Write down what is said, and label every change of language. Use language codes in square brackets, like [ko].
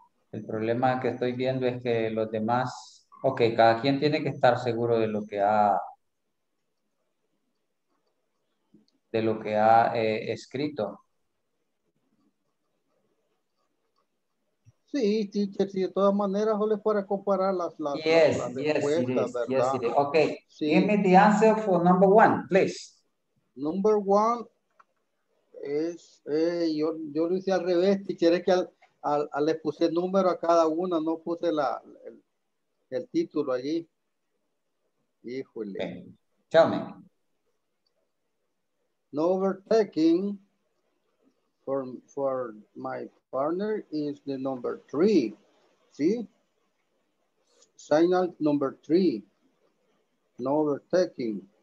[es] El problema que estoy viendo es que los demás... Okay, cada quien tiene que estar seguro de lo que ha... de lo que ha escrito. Sí, teacher, sí, de todas maneras, solo es para comparar las yes, respuestas, yes, ¿verdad? Yes, yes. Okay, sí. [en] Give me the answer for number one, please. Number one [es] es, yo lo hice al revés, teacher, es que al le puse número a cada una, no puse el título allí. Híjole. [en] Okay. Tell me. No overtaking for my partner is the number three. See? Signal number three. No overtaking.